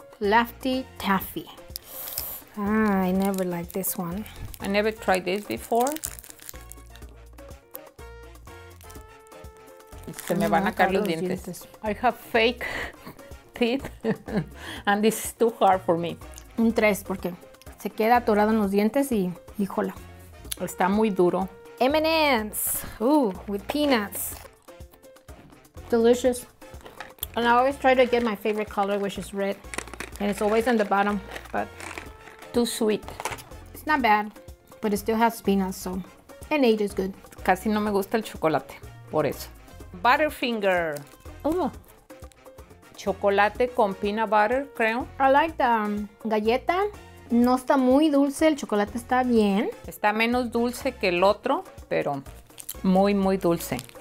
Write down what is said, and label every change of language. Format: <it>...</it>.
<en>Lefty taffy. Ah, I never liked this one. I never tried this before.</en> <es>Se me van a caer los dientes.</es> <en>I have fake teeth and this is too hard for me.</en> <es>Un 3 porque se queda atorado en los dientes y híjola. Está muy duro.</es> <en>M&M's, with peanuts. Delicious. And I always try to get my favorite color, which is red. And it's always on the bottom, but too sweet. It's not bad, but it still has peanuts, so an 8 is good.</en> <es>Casi no me gusta el chocolate, por eso. Butterfinger. Chocolate con peanut butter, creo.</es> <en>I like the galleta.</en> <es>No está muy dulce, el chocolate está bien. Está menos dulce que el otro, pero muy, muy dulce.</es>